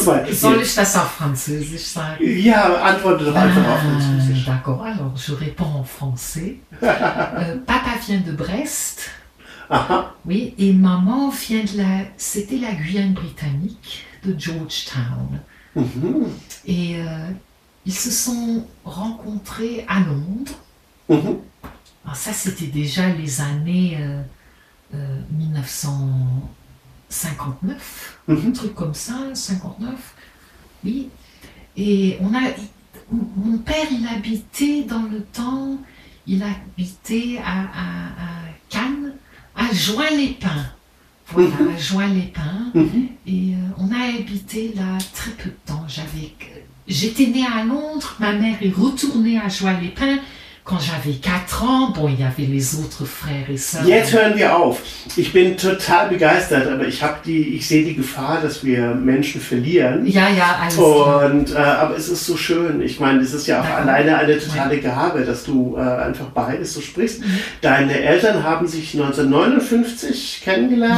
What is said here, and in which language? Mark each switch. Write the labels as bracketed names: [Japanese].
[German] Soll ich das auf Französisch sagen? Ja, antworte doch einfach auf Französisch. [French] D'accord, alors je réponds en français. Papa vient de Brest. Aha. Oui, et maman vient de la... C'était la Guyane britannique de Georgetown. Et ils se sont rencontrés à Londres. Alors ça, c'était déjà les années 1959, un truc comme ça, 59, oui. Et mon père, il habitait dans le temps, il habitait à Cannes, à Join-les-Pins. Voilà, à Join-les-Pins. Et on a habité là très peu de temps. J'étais née à Londres, ma mère est retournée à Join-les-Pins. Quand j'avais 4 ans, bon, il y avait les autres frères et sœurs. [German] Jetzt hören wir auf. Ich bin total begeistert, aber ich sehe die Gefahr, dass wir Menschen verlieren. Ja, alles klar. Und aber es ist so schön. Ich meine, es ist ja auch alleine eine totale Gabe, dass du einfach beides so sprichst. Deine Eltern haben sich 1959 kennengelernt.